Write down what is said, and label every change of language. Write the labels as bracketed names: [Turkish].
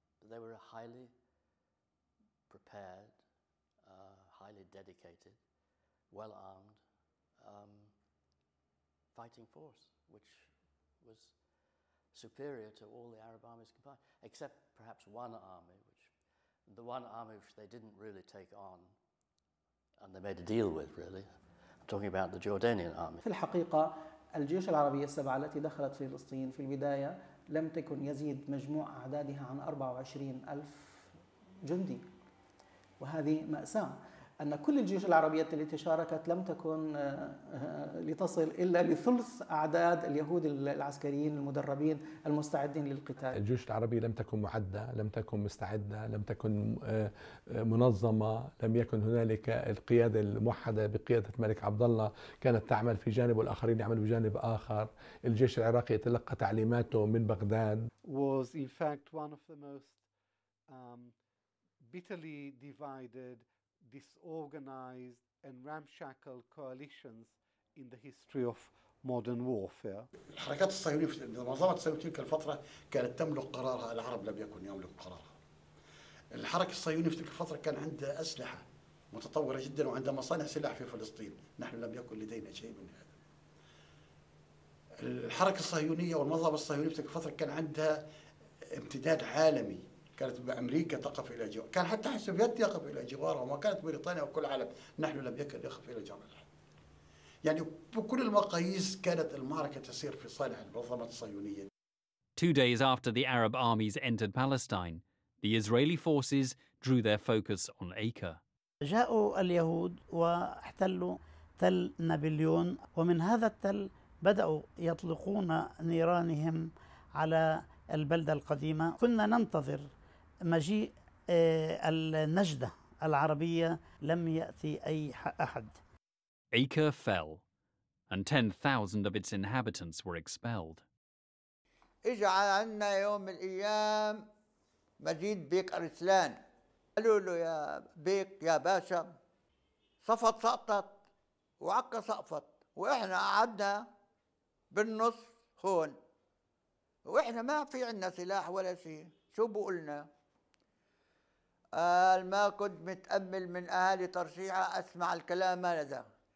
[English] They were highly prepared, highly dedicated, well-armed, fighting force, which was superior to all the Arab armies combined, except perhaps one army, which they didn't really take on, and they made a deal with, really. I'm talking about the Jordanian army. [Arabic] في الحقيقة، الجيوش العربية السبعة التي دخلت فلسطين في البداية لم تكن يزيد مجموع أعدادها عن 24,000 جندي، وهذه مأساة. أن كل الجيوش العربية التي شاركت لم تكن لتصل إلا لثلث أعداد اليهود العسكريين المدربين المستعدين للقتال. الجيوش العربية لم تكن معدة، لم تكن مستعدة، لم تكن منظمة، لم يكن هنالك القيادة الموحدة بقيادة الملك عبد الله، كانت تعمل في جانب والآخرين يعملوا بجانب آخر. الجيش العراقي تلقى تعليماته من بغداد. [English] Was in fact one of the most bitterly divided, disorganized and ramshackle coalitions in the history of modern warfare. [Arabic] الحركات الصهيونية في منظمة الصهيونية تلك الفترة كانت تملك قرارها، العرب لم يكن يملك قرارها. الحركة الصهيونية في تلك الفترة كان عندها أسلحة متطورة جدا وعندها مصانع سلاح في فلسطين، نحن لم يكن لدينا شيء من هذا. الحركة الصهيونية والمنظمة الصهيونية في تلك الفترة كان عندها امتداد عالمي، كانت بأمريكا تقف إلى جوار، كان حتى السوفيات يقف إلى جوارها، وما كانت بريطانيا وكل العالم، نحن لم يكن يقف إلى جوارها. يعني بكل المقاييس كانت المعركة تسير في صالح المنظمة الصهيونية. [English] Two days after the Arab armies entered Palestine, the Israeli forces drew their focus on Acre. [Arabic] جاءوا اليهود واحتلوا تل نابليون، ومن هذا التل بدأوا يطلقون نيرانهم على البلدة القديمة. كنا ننتظر مجيء النجدة العربية، لم يأتي أي أحد. [English] Acre fell and 10,000 of its inhabitants were expelled. [Arabic] إجا عنا يوم من الأيام مجيد بيك أرسلان، قالوا له يا بيك يا باشا صفت سقطت وعكا صفت، وإحنا قعدنا بالنص هون وإحنا ما في عنا سلاح ولا شيء، شو بقولنا؟ قال ما كنت متأمل من أهالي ترشيحة أسمع الكلام هذا،